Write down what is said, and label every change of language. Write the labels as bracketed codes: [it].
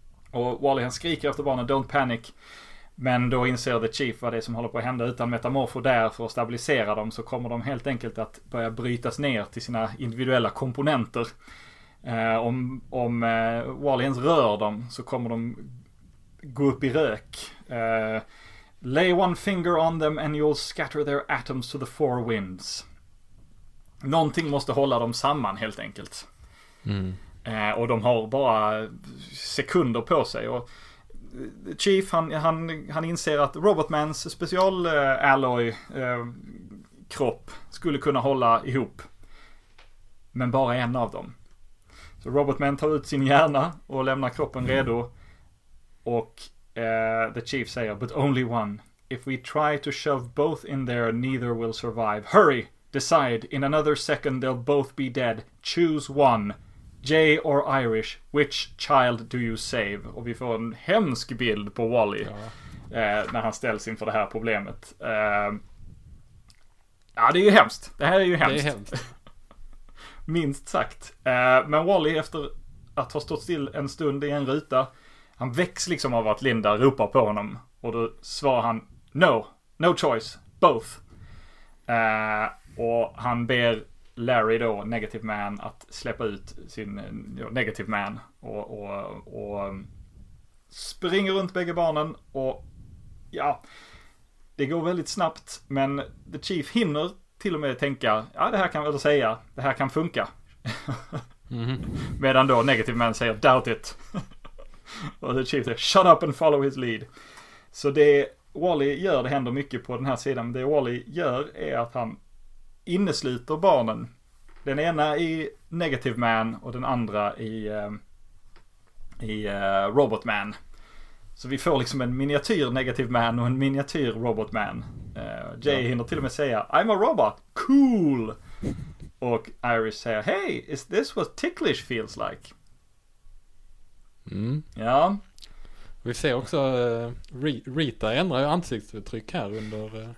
[sv] Och Wally, han skriker efter barnen: [en] don't panic. [sv] Men då inser The Chief vad det är som håller på att hända. Utan Metamorpho där för att stabilisera dem, så kommer de helt enkelt att börja brytas ner till sina individuella komponenter. Om Wally ens rör dem, så kommer de gå upp i rök. [en] Lay one finger on them and you'll scatter their atoms to the four winds. [sv] Någonting måste hålla dem samman helt enkelt. Mm. Och de har bara sekunder på sig. Och Chief, han inser att Robotmans special alloy kropp skulle kunna hålla ihop. Men bara en av dem. Så Robotman tar ut sin hjärna och lämnar kroppen redo. Och the chief säger: [en] but only one. If we try to shove both in there, neither will survive. Hurry, decide. In another second they'll both be dead. Choose one. Jay or Irish, which child do you save? [sv] Och vi får en hemsk bild på Wally. Ja. När han ställs inför det här problemet. Ja, det är ju hemskt. Det här är ju hemskt. Det är hemskt. minst sagt. Men Wally, efter att ha stått still en stund i en ruta, han väcks liksom av att Linda ropar på honom. Och då svarar han, [en] no, no choice, both. [sv] Och han ber Larry då, Negative Man, att släppa ut sin Negative Man. Och springer runt bägge barnen. Och ja, det går väldigt snabbt. Men The Chief hinner till och med tänka, ja, det här kan väl säga, det här kan funka. Medan då Negative Man säger, [en] doubt it. [sv] Och The Chief säger, [en] shut up and follow his lead. [sv] Så det Wally gör, det händer mycket på den här sidan, men det Wally gör är att han innesluter barnen. Den ena i Negative Man och den andra i Robot Man. Så vi får liksom en miniatyr Negative Man och en miniatyr Robot Man. Jay hinner till och med säga, [en] I'm a robot, cool! [sv] Och Iris säger, [en] hey, is this what ticklish feels like? Mm. [sv] Ja. Vi ser också Rita ändrar ju ansiktsuttryck här under...